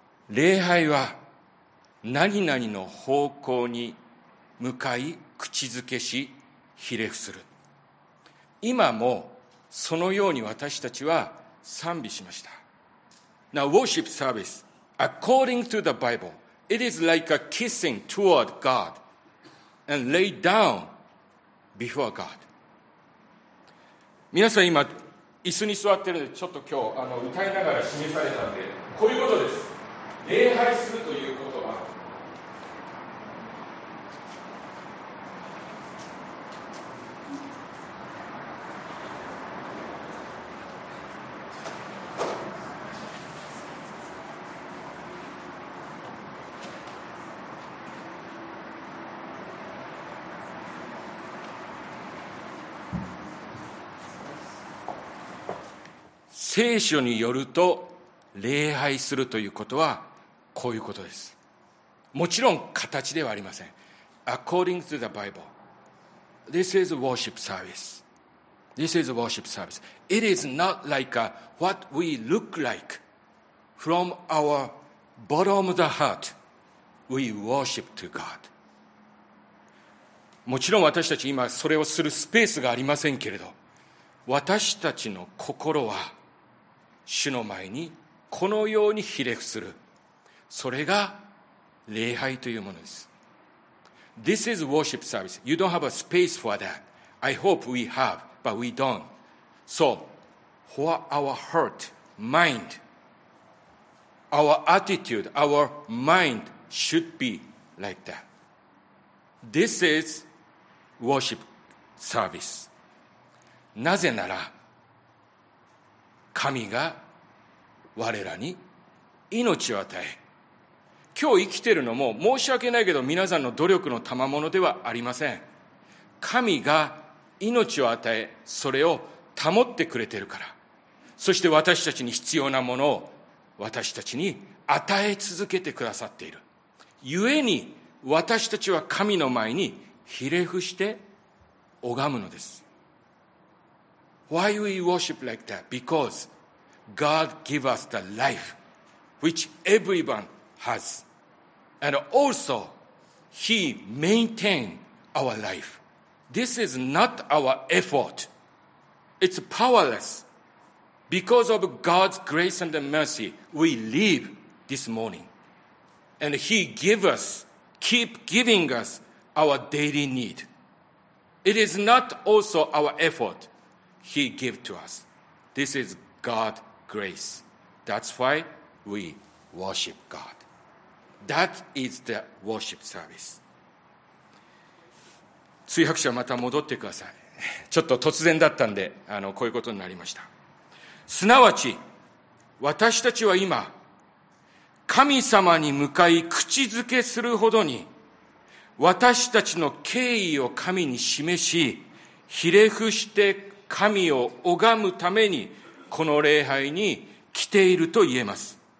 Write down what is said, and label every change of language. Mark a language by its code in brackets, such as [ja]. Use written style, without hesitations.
[ja] 礼拝は何々の方向に向かい口づけしひれ伏する。今もそのように私たちは賛美しました。 [en] Now worship service according to the Bible it is like a kissing toward God and lay down before God。 [ja] 皆さん今椅子に座ってるんでちょっと今日歌いながら示されたんでこういうことです。礼拝するということは聖書によると礼拝するということはこういうことです。もちろん形ではありません。 [en] According to the Bible This is a worship service This is a worship service It is not like a, what we look like From our bottom of the heart We worship to God。 [ja] もちろん私たち今それをするスペースがありませんけれど、私たちの心は主の前にこのようにひれ伏する、それが礼拝というものです。 [en] This is worship service. You don't have a space for that. I hope we have, but we don't. So, for our heart, mind, our attitude, our mind should be like that. This is worship service. [ja] なぜなら神が我らに命を与え、今日生きているのも申し訳ないけど皆さんの努力の賜物ではありません。神が命を与え、それを保ってくれているから。そして私たちに必要なものを私たちに与え続けてくださっている。故に私たちは神の前にひれ伏して拝むのです。 [en] Why we worship like that? Because God give us the life which everyone has. And also, He maintain our life. This is not our effort. It's powerless. Because of God's grace and mercy, we live this morning. And He give us, keep giving us our daily need. It is not also our effort He give to us. This is God's grace. That's why we worship God. That is the worship service. [ja] 通訳者また戻ってください。ちょっと突然だったんでこういうことになりました。すなわち私たちは今神様に向かい口づけするほどに私たちの敬意を神に示し、ひれ伏して神を拝むためにこの礼拝に来ていると言えます。